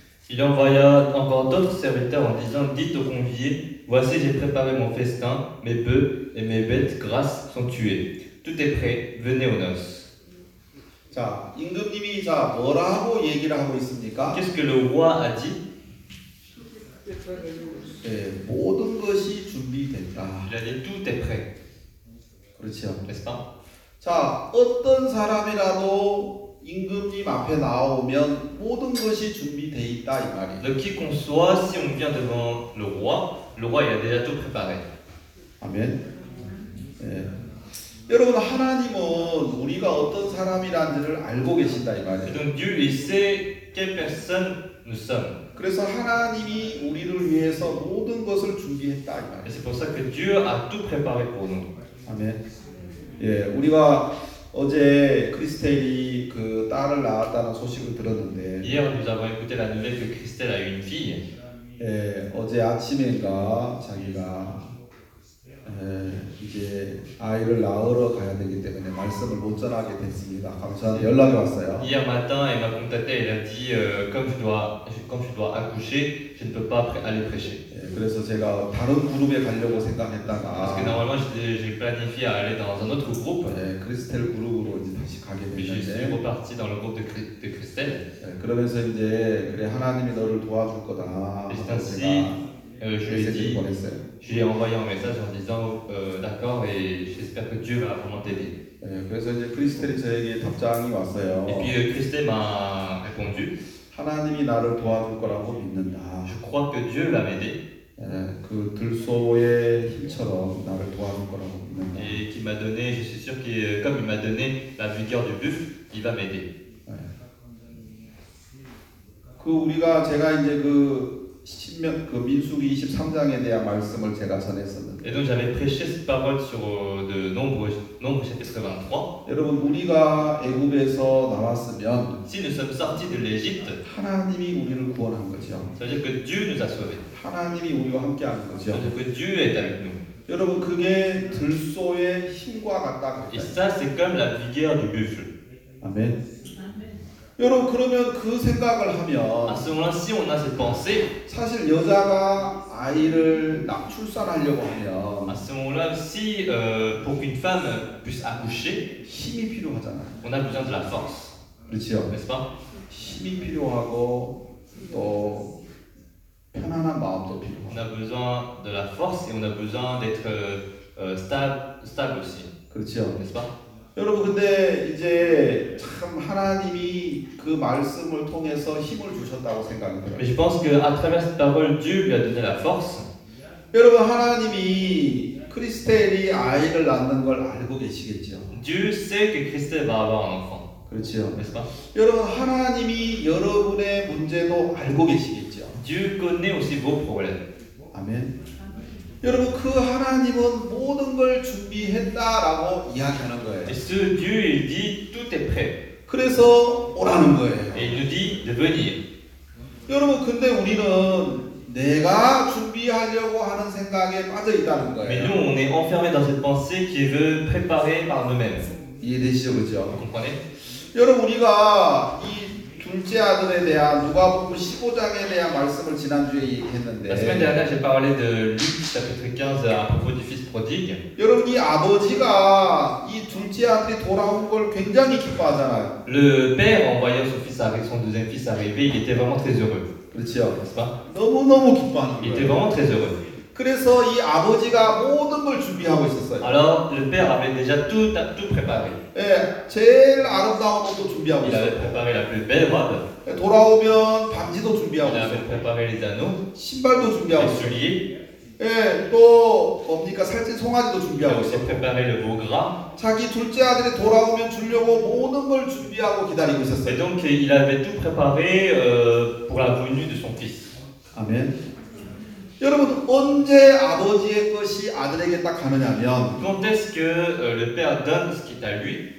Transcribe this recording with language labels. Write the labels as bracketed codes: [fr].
[fr] Il envoya encore d'autres serviteurs en disant « Dites aux conviés, voici j'ai préparé mon festin, mes bœufs et mes bêtes grasses sont tués. Tout est prêt, venez aux noces. » [ko] 자, 임금님이 자 뭐라고 얘기를 하고 있습니까? [fr] Qu'est-ce que le roi a dit? [ko] 네, 모든 것이 준비됐다. [fr] Il a dit « Tout est prêt. » [ko] 그렇죠. [fr] N'est-ce pas? [ko] 자, 어떤 사람이라도 임금님 앞에 나오면 모든 것이 준비돼 있다 이 말이에요. [fr] Le quiconque soit, si on vient devant le roi il a déjà tout préparé. [ko] 아멘. 예. 여러분 하나님은 우리가 어떤 사람이라는지를 알고 계신다 이 말이에요. [fr] Donc Dieu il sait quelle personne nous sommes. [ko] 그래서 하나님이 우리를 위해서 모든 것을 준비했다 이 말이에요. [fr] C'est pour ça que Dieu a tout préparé pour nous. [ko] 아멘. 예, 우리가 어제 크리스텔이 그 딸을 낳았다는 소식을 들었는데. [fr] Hier nous avons écouté la nouvelle que Christelle a eu une fille. [ko] 예, 어제 아침인가 자기가 예, 이제 아이를 낳으러 가야 되기 때문에 말씀을 못 전하게 됐습니다. 감사합니다. 연락이 왔어요. [fr] Hier matin elle m'a contacté elle a dit comme je dois accoucher, je ne peux pas aller prêcher. [ko] 예, 그래서 제가 다른 그룹에 가려고 생각했다가 [fr] Parce que normalement j'ai planifié à aller dans un autre groupe. [ko] 예, 크리스텔 그룹으로 이제 다시 가게 됐는데 [fr] Je suis reparti dans le groupe de Christelle. [ko] 예, 그러면서 이제 그래 하나님이 너를 도와줄 거다. [fr] Et ainsi, je lui ai envoyé un message en disant d'accord et j'espère que Dieu va vraiment t'aider. [ko] 예, 그래서 이제 크리스텔이 저에게 답장이 왔어요. [fr] Et puis Christelle m'a répondu. [ko] 하나님이 나를 도와줄 거라고 믿는다. [fr] Je crois que Dieu va m'aider. [ko] 예, 그 들소의 힘처럼 나를 도와줄 거라고 믿는다. [fr] Et qui m'a donné, je suis sûr que comme il m'a donné la vigueur du bœuf, il va m'aider. [ko] 예. 그 우리가 제가 이제 그 신명 그 민수기 23장에 대한 말씀을 제가 전했었는데. [fr] Et donc j'avais prêché cette parole sur de nombre chapitre 23. [ko] 여러분 우리가 애굽에서 나왔으면 [fr] Si nous sommes sortis de l'Égypte, [ko] 하나님이 우리를 구원한 거죠. [fr] C'est-à-dire que Dieu nous a sauvés. [ko] 하나님이 우리와 함께한 거죠. [fr] C'est-à-dire que Dieu est avec nous. [ko] 여러분 그게 들소의 힘과 같다. [fr] Et ça c'est comme la vigueur du buffle. [ko] 아멘. 여러분 그러면 그 생각을 하면 [fr] À ce moment-là, si on a cette pensée, [ko] 사실 여자가 아이를 낳 출산하려고 하면 [fr] À ce moment-là, si pour qu'une femme puisse accoucher, [ko] 힘이 필요하잖아. [fr] On a besoin de la force. [ko] 그렇죠. [fr] N'est-ce pas? [ko] 힘이 필요하고 또 편안한 마음도 필요. [fr] On a besoin de la force et on a besoin d'être stable aussi. [ko] 그렇죠. [fr] N'est-ce pas? [ko] 여러분 근데 이제 참 하나님이 그 말씀을 통해서 힘을 주셨다고 생각합니다. [fr] Mais je pense que à travers cette parole, Dieu lui a donné la force. [ko] 여러분 하나님이 크리스텔이 아이를 낳는 걸 알고 계시겠죠? [fr] Dieu sait que Christelle va avoir un enfant. [ko] 그렇죠. 여러분, 하나님이 여러분의 문제도 알고 계시겠죠? [fr] Dieu connaît aussi vos problèmes. [ko] 아멘. 여러분, 그 하나님은 모든 걸 준비했다라고 이야기하는 거예요. [fr] Et ce Dieu, il dit tout est prêt. [ko] 그래서 오라는 거예요. [fr] Et nous dit de venir. [ko] 여러분, 근데 우리는 내가 준비하려고 하는 생각에 빠져 있다는 거예요. [fr] Mais nous, on est enfermé dans cette pensée qui veut préparer par nous-mêmes. [ko] 이해되시죠, 그죠? [fr] Vous comprenez? [ko] 여러분, 우리가 이 둘째 아들에 대한 누가복음 15장에 대한 말씀을 지난주에 얘기했는데 말씀에 대한 제가 [fr] parlé de Luc chapitre 15 à propos du fils prodigue. [ko] 여러분, 이 아버지가 이 둘째 아들이 돌아온 걸 굉장히 기뻐하잖아요. [fr] Le père en voyant son fils avec son deuxième fils arrivé, il était vraiment très heureux. [ko] 그렇죠, 맞습니까? 너무 너무 기뻐하는 거예요. [fr] Il était vraiment très heureux. [ko] 그래서 이 아버지가 모든 걸 준비하고 있었어요. [fr] Alors le père avait déjà tout préparé. [ko] 예, 제일 아름다운 것도 준비하고 [fr] il Il avait préparé la plus belle robe. [ko] 예, 돌아오면 반지도 준비하고 있었고. [fr] Il avait préparé les anneaux. [ko] 신발도 준비하고 있었고. [fr] Les souliers. [ko] 예, 또 뭡니까 살찐 송아지도 준비하고 있었고. [fr] Il avait préparé le beau gras. [ko] 자기 둘째 아들이 돌아오면 주려고 모든 걸 준비하고 기다리고 있었어요. [fr] Et donc il avait tout préparé pour la venue de son fils. [ko] 아멘. 여러분, 언제 아버지의 것이 아들에게 딱 가느냐면 [fr] Quand est-ce que le père donne ce qui est à lui?